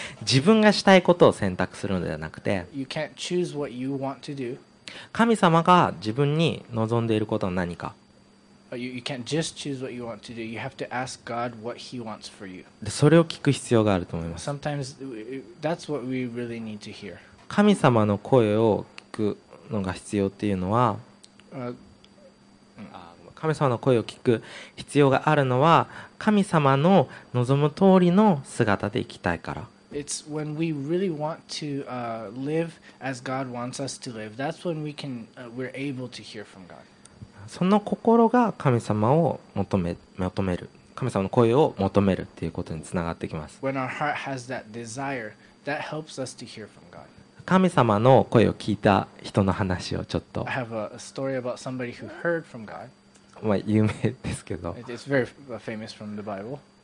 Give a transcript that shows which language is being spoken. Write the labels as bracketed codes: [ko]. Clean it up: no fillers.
[ja] 自分がしたいことを選択するのではなくて、 [en] You can't choose what you want to do. [ja] 神様が自分に望んでいることは何か。 [en] You can't just choose what you want to do. You have to ask God what He wants for you. [ja] それを聞く必要があると思います。 [en] Sometimes that's what we really need to hear. [ja] 神様の声を聞くのが必要っていうのは、神様の声を聞く必要があるのは、神様の望む通りの姿で生きたいから。 [en] It's when we really want to live as God wants us to live. That's when we can, we're able to hear from God. [ja] その心が神様を求める神様の声を求めるっていうことにつながってきます。 [en] When our heart has that desire, that helps us to hear from God. [ja] 神様の声を聞いた人の話をちょっと。 [en] I have a story about somebody who heard from God. [ja] まあ有名ですけど。 [en] It's very famous from the Bible.